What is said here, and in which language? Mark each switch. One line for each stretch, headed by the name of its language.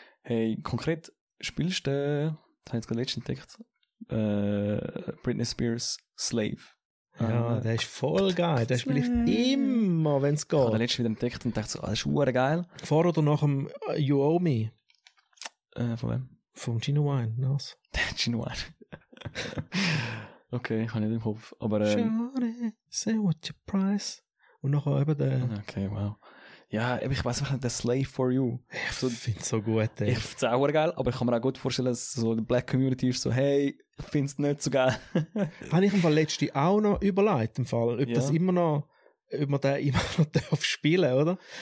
German: Hey, konkret spielst du, das habe ich jetzt gerade letztens entdeckt, Britney Spears' Slave. Ja, der ist voll geil. Der spiele ich immer, wenn es geht. Ich habe letztens wieder entdeckt und dachte so, das ist mega geil. Vor oder nach dem You Owe Me? Von wem? Vom Gino Wine, was? Der Gino Wine. Okay, ich habe nicht im Kopf. Aber,
English: Shorty, say what's your price.
German: Und nachher eben der... Okay, wow. Ja, ich weiß nicht, der Slave for You. Ich so, finde es so gut, ey. Ich finde es auch geil, aber ich kann mir auch gut vorstellen, dass so die Black Community ist so, hey, ich finde es nicht so geil. Habe ich im Fall letzte auch noch überlegt, im Fall, ob, ja, das immer noch, ob man den immer noch darf spielen, oder?